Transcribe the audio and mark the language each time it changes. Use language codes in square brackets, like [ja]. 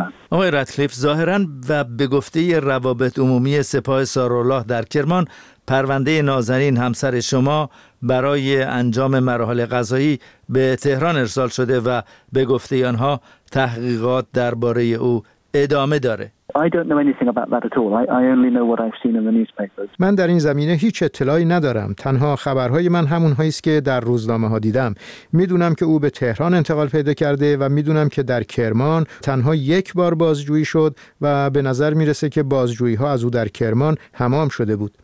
[fa] آقای رادکلیف، ظاهراً و به گفته روابط عمومی سپاه سارالله در کرمان، پرونده نازنین همسر شما برای انجام مراحل قضایی به تهران ارسال شده و به گفته آنها تحقیقات درباره او ادامه داره. [en] I don't know anything about that at all. I only know what I've seen in the newspapers. [fa] من در این زمینه هیچ اطلاعی ندارم. تنها خبرهای من همون هایی است که در روزنامه ها دیدم. میدونم که او به تهران انتقال پیدا کرده و میدونم که در کرمان تنها یک بار بازجویی شد و به نظر میرسه که بازجویی ها از او در کرمان تمام شده بود.